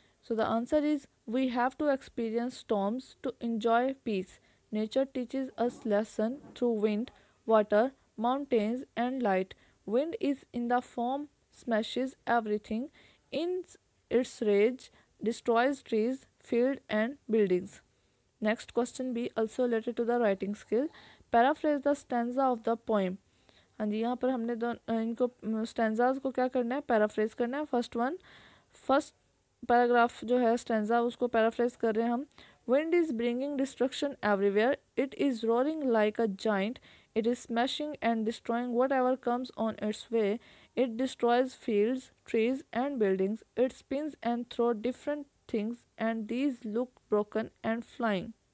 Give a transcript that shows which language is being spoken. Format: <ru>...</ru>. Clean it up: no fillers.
<en>So the answer is we have to experience storms to enjoy peace. Nature teaches us lesson through wind, water, mountains and light. Wind is in the form smashes everything in its rage, destroys trees, field and buildings. Next question be also related to the writing skill. Paraphrase the stanza of the poem.</en> <hi>हाँ जी, यहाँ पर हमने इनको stanzas को क्या करना है? Paraphrase करना है.</hi> <en>First one, first paragraph</en> <hi>जो है stanza उसको paraphrase कर रहे हैं हम.</hi> <en>Wind is bringing destruction everywhere. It is roaring like a giant. It is smashing and destroying whatever comes on its way. It destroys fields, trees and buildings. It spins and throws different things and these look broken and flying.</en>